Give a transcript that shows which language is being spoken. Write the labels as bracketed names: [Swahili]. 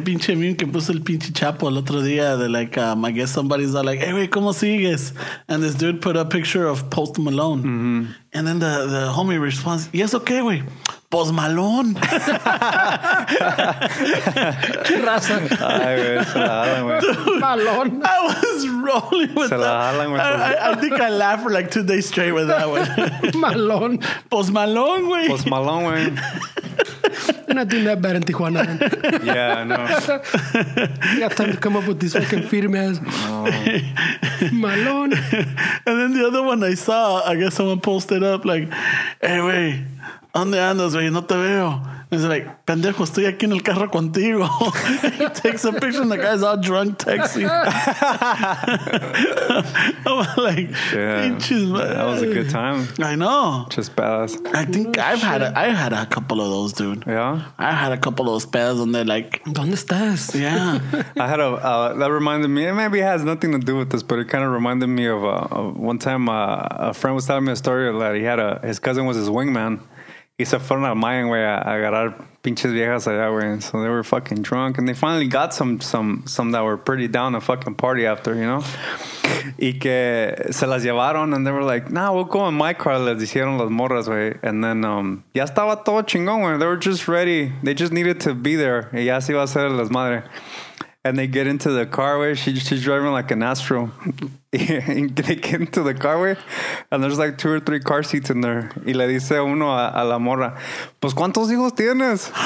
[Spanish] Pinche meme que puso el pinche Chapo el otro día. [English] De like, I guess somebody's like, hey, wey, [Spanish] ¿cómo sigues? [English] And this dude put a picture of Post Malone. Mm-hmm. And then the homie responds, yes, okay, wey. Post Malone. [Spanish] Qué raza. Ay, güey, se la jalan, güey. [English] Malone. I was rolling with [Spanish] se Se la jalan, güey. [English] I think I laughed for like 2 days straight with that one. Malone. [Spanish] Post Malone, güey. Post Malone, güey. [English] You're not doing that bad in Tijuana. Yeah, I know. You got time to come up with this fucking firme ass. No. Malone. And then the other one I saw, I guess someone posted up like, hey, güey. [Spanish] ¿Dónde andas, güey? No te veo. [English] He's like, [Spanish] pendejo, estoy aquí en el carro contigo. [English] He takes a picture and the guy's all drunk texting. I'm like, inches, man. That was a good time. I know. Just pedas. I think I've had a couple of those, dude. Yeah? I had a couple of those pedas and they're like, [Spanish] ¿dónde estás? [English] Yeah. I had that reminded me, and maybe it has nothing to do with this, but it kind of reminded me of one time a friend was telling me a story that he had his cousin was his wingman. [Spanish] Y se fueron al Mayan, güey, a agarrar pinches viejas allá, güey. [English] So they were fucking drunk. And they finally got some that were pretty down to fucking party after, you know. [Spanish] Y que se las llevaron [English] and they were like, nah, we'll go in my car. [Spanish] Les hicieron las morras, güey. [English] And then [Spanish] ya estaba todo chingón, güey. [English] They were just ready. They just needed to be there. [Spanish] Y ya se iba a hacer las madre. [English] And they get into the car, güey. She's driving like an Astro. And they get into the car, güey. And there's like two or three car seats in there. [Spanish] Y le dice uno a la morra, pues, ¿cuántos hijos tienes?